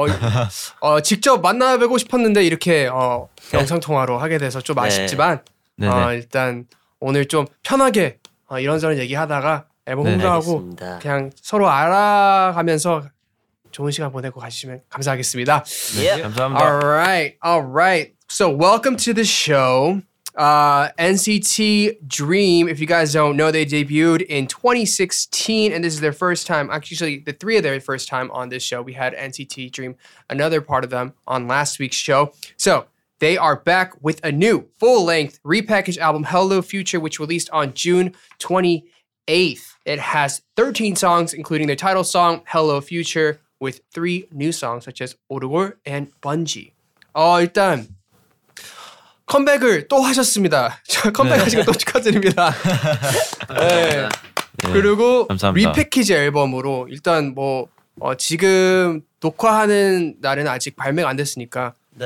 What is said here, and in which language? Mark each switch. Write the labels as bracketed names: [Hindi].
[Korean] 네, 직접 만나 뵙고 싶었는데 이렇게 영상통화로 하게 돼서 좀 아쉽지만 네. 일단 오늘 좀 편하게 이런저런 얘기하다가 앨범 홍보하고 네, 그냥 서로 알아가면서 좋은 시간 보내고 가시면 감사하겠습니다. 네, yeah. 감사합니다. [English] Alright. So welcome to the show. NCT Dream, if you guys don't know, they debuted in 2016 and this is their first time, actually the three of their first time on this show. We had NCT Dream, another part of them, on last week's show. So they are back with a new full-length repackaged album, Hello Future, which released on June 28th. It has 13 songs, including their title song, Hello Future, with three new songs, such as 오르골 and Bungee. [Korean] 일단 컴백을 또 하셨습니다. 컴백하신 거 또 축하드립니다. 네. 그리고 감사합니다. 리패키지 앨범으로 일단 뭐 지금 녹화하는 날은 아직 발매가 안 됐으니까 네.